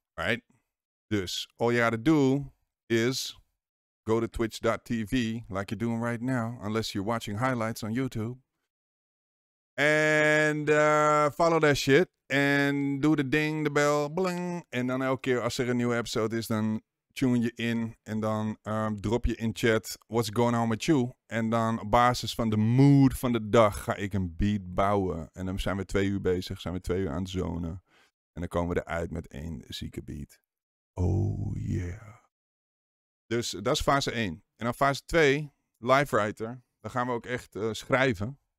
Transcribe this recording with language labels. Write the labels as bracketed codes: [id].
[en] Alright? Dus, all you gotta do is... Go to twitch.tv, like you're doing right now, unless you're watching highlights on YouTube. And follow that shit. And do the ding, the bell, bling. [nl] En dan elke keer als er een nieuwe episode is, dan tune je in. En dan drop je in chat, [en] what's going on with you? [nl] En dan op basis van de mood van de dag ga ik een beat bouwen. En dan zijn we 2 uur bezig, zijn we 2 uur aan het zonen. En dan komen we eruit met 1 zieke beat. Oh yeah. Dus dat is fase 1. En dan fase 2, live writer, dan gaan we ook echt schrijven.